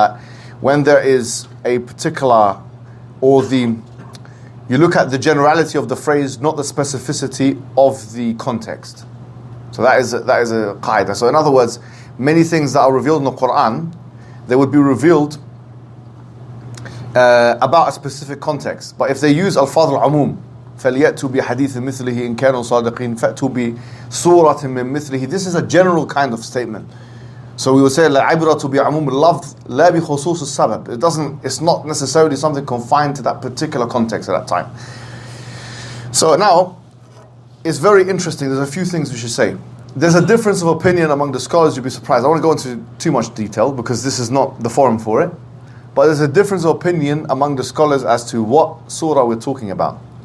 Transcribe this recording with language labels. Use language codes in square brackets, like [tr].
[en] That when there is a particular, or the, you look at the generality of the phrase, not the specificity of the context. So that is a qaida. So in other words, many things that are revealed in the Quran, they would be revealed about a specific context. But if they use al-fadl al-umum, [ar] فَلْيَأْتُوا بِحَدِيثٍ مِثْلِهِ إِنْ كَانُوا صَادِقِينَ فَأْتُوا بِسُورَةٍ مِّن مِثْلِهِ. [en] This is a general kind of statement. So we would say [ar] لَعِبْرَةُ بِعَمُومِ اللَّفْظِ لَا بِخُصُوصِ السَّبَبِ. [en] It's not necessarily something confined to that particular context at that time. So now, it's very interesting. There's a few things we should say. There's a difference of opinion among the scholars, you'd be surprised. I don't want to go into too much detail because this is not the forum for it. But there's a difference of opinion among the scholars as to what surah we're talking about.